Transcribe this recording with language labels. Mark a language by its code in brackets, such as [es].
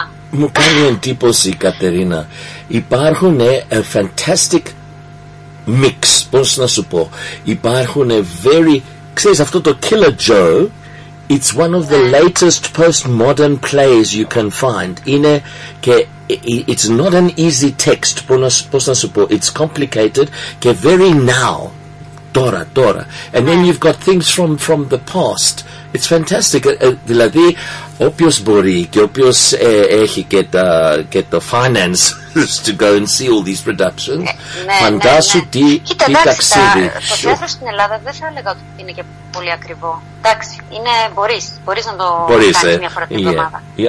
[el] μου κάνει εντύπωση, Κατερίνα. Υπάρχουν [en] a fantastic mix, [el] πώς να σου πω. Υπάρχουν [en] very, [el] ξέρεις αυτό το [en] Killer Joe, it's one of the latest postmodern plays you can find. [el] Είναι και [en] it's not an easy text, [el] πώς να σου πω. [en] It's complicated [el] και [en] very now, [el] τώρα. [en] And then you've got things from the past. It's fantastic. [el] Δηλαδή, όποιος μπορεί και όποιος έχει και το [en] finance to go and see all these productions, [el] φαντάσου τι ταξίδι. Κοίτα, εντάξει, το θέατρο στην Ελλάδα δεν θα έλεγα ότι είναι και πολύ ακριβό. Εντάξει, είναι, μπορείς να το κάνεις μια φορά την εβδομάδα.